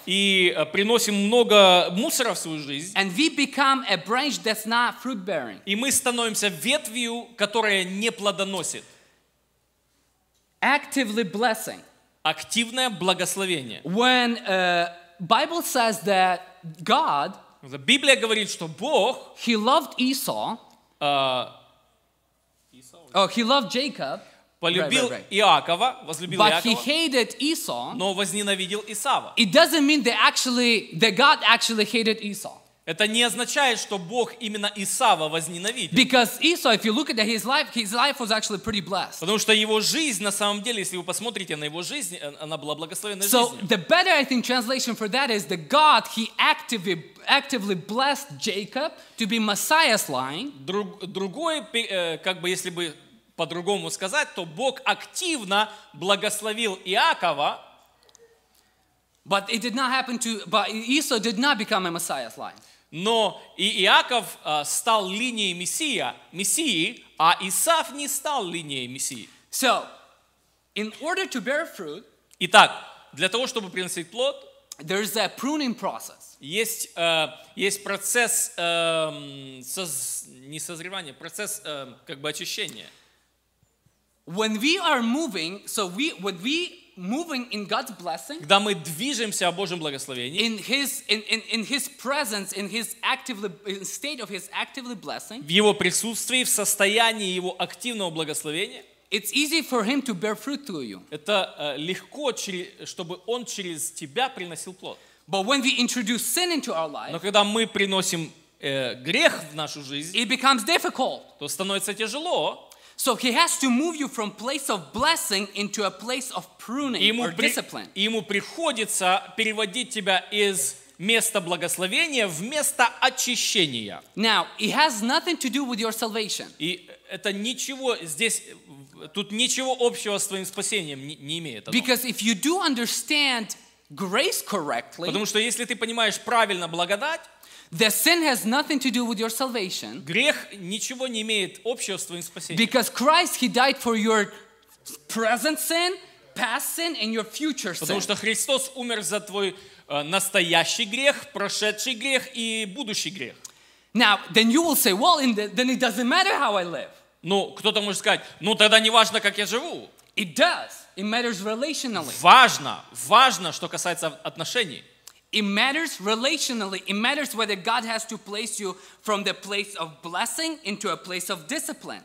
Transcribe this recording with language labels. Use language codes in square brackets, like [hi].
[ru] и приносим много мусора в свою жизнь, [en] and we become a branch that's not fruit-bearing. [ru] И мы становимся ветвью, которая не плодоносит. [en] Actively blessing. [ru] Активное благословение. [en] When Bible says that God, [ru] Библия говорит, что Бог, [en] He loved Esau, He loved Jacob, [ru] полюбил Иакова, возлюбил [en] But [ru] Иакова, [en] he hated Esau, [ru] но возненавидел Исава. [en] It doesn't mean that actually, that God actually hated Esau. [ru] Это не означает, что Бог именно Исава возненавидел. [en] Because Esau, if you look at his life was actually pretty blessed. [ru] Потому что его жизнь, на самом деле, если вы посмотрите на его жизнь, она была благословенной [en] so So the better, I think, translation for that is that God, he actively blessed Jacob to be Messiah's line. [ru] Другой, как бы, если бы по-другому сказать, то Бог активно благословил Иакова. [en] But it did not happen to, but Esau did not become a Messiah's line. [ru] Но и Иаков стал линией Мессии, а Исав не стал линией Мессии. [en] So, in order to bear fruit, [ru] итак, для того, чтобы приносить плод, [en] there is a pruning process. [ru] Есть процесс не созревания, процесс как бы очищения. [en] When we are moving, so when we moving in God's blessing, [ru] когда мы движемся в Божьем благословении, [en] in His presence, in His actively in state of His actively blessing, [ru] в Его присутствии, в состоянии Его активного благословения, [en] it's easy for Him to bear fruit through you. [ru] Это легко, чтобы Он через тебя приносил плод. [en] But when we introduce sin into our life, [ru] но когда мы приносим грех в нашу жизнь, [en] it becomes difficult. [ru] То становится тяжело. [en] So he has to move you from place of blessing into a place of pruning or discipline. [ru] Ему приходится переводить тебя из места благословения в место очищения. [en] Now, it has nothing to do with your salvation. [ru] И это ничего здесь, тут ничего общего с твоим спасением не имеет. [en] Because if you do understand grace correctly, [ru] потому что если ты понимаешь правильно благодать, [en] the sin has nothing to do with your salvation. [ru] Грех ничего не имеет общего с твоим спасением. [en] Because Christ, he died for your present sin, past sin, and your future sin. [ru] Потому что Христос умер за твой настоящий грех, прошедший грех и будущий грех. [en] Now, then you will say, well, then it doesn't matter how I live. [ru] Ну, кто-то может сказать, ну, тогда не важно, как я живу. [en] It does. It matters relationally. [ru] Важно, важно, что касается отношений. [en] It matters relationally. It matters whether God has to place you from the place of blessing into a place of discipline.